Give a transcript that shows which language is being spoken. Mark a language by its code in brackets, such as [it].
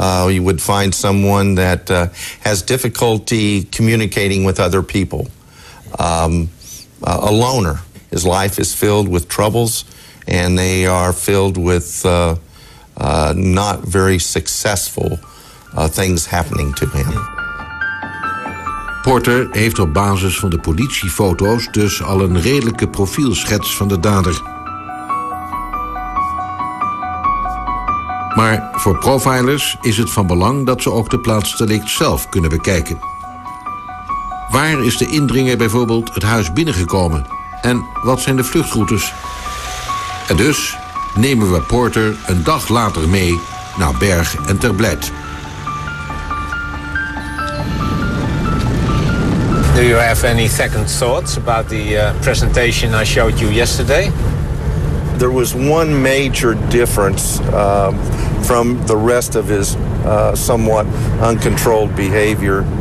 [en] You would find someone that has difficulty communicating with other people, a loner. His life is filled with troubles, and they are filled with not very successful things happening to him. [nl] Porter heeft op basis van de politiefoto's dus al een redelijke profielschets van de dader. Maar voor profilers is het van belang dat ze ook de plaatsdelict zelf kunnen bekijken. Waar is de indringer bijvoorbeeld het huis binnengekomen? En wat zijn de vluchtroutes? En dus nemen we Porter een dag later mee naar Berg en Ter Blijt. [en] Do you have any second thoughts about the presentation I showed you yesterday? There was one major difference from the rest of his somewhat uncontrolled behavior.